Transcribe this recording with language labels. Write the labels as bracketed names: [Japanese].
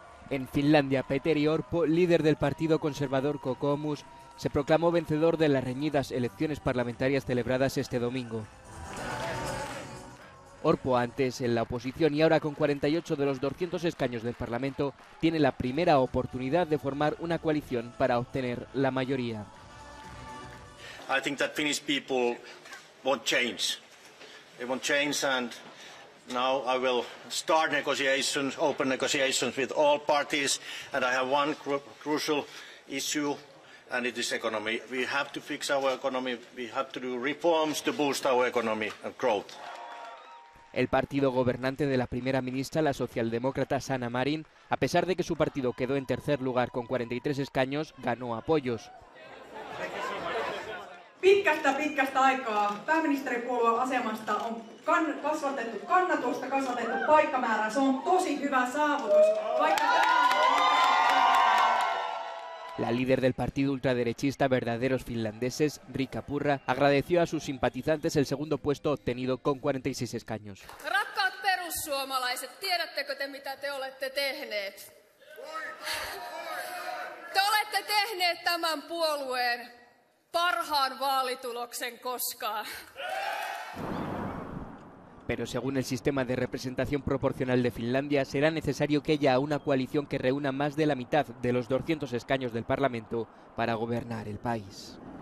[Spanish] En Finlandia, Petteri Orpo, líder del partido conservador Kokoomus, se proclamó vencedor de las reñidas elecciones parlamentarias celebradas este domingo. Orpo, antes en la oposición y ahora con 48 de los 200 escaños del Parlamento, tiene la primera oportunidad de formar una coalición para obtener la mayoría. [English] I think that Finnish people want change. They want change, and now I will start negotiations, open negotiations with all parties, and I have one crucial issue, and it is economy. We have to fix our economy. We have to do reforms to boost our economy and growth. [Spanish] El partido gobernante de la primera ministra, la socialdemócrata Sanna Marin, a pesar de que su partido quedó en tercer lugar con 43 escaños, ganó apoyos. [Finnish] pitkästä aikaa pääministeripuolueen asemasta on kasvatettu kannatusta, kasvatettu paikkamäärä. Se on tosi hyvä saavutus, vaikka [Spanish] La líder del partido ultraderechista Verdaderos Finlandeses, Riikka Purra, agradeció a sus simpatizantes el segundo puesto obtenido con 46 escaños. [Finnish] Rakkaat perussuomalaiset, tiedättekö te mitä te olette tehneet? Te olette tehneet tämän puolueen parhaan vaalituloksen koskaan. [Spanish] Pero según el sistema de representación proporcional de Finlandia, será necesario que haya una coalición que reúna más de la mitad de los 200 escaños del Parlamento para gobernar el país.